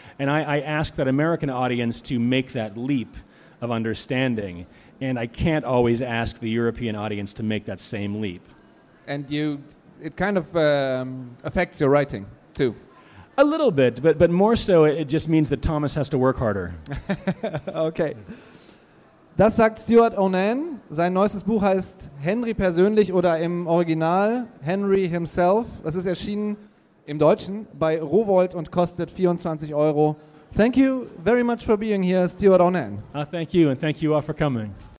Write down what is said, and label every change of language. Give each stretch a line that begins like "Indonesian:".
English: And I ask that American audience to make that leap of understanding. And I can't always ask the European audience to make that same leap. And it kind of affects your writing, too. A little bit, but more so it just means that Thomas has to work harder.
German: Okay. Das sagt Stuart Onan. Sein neuestes Buch heißt Henry persönlich oder im Original Henry himself. Es ist erschienen im Deutschen bei Rowohlt und kostet 24 Euro.
English: Thank you very much for being here, Stuart Onan. Thank you, and thank you all for coming.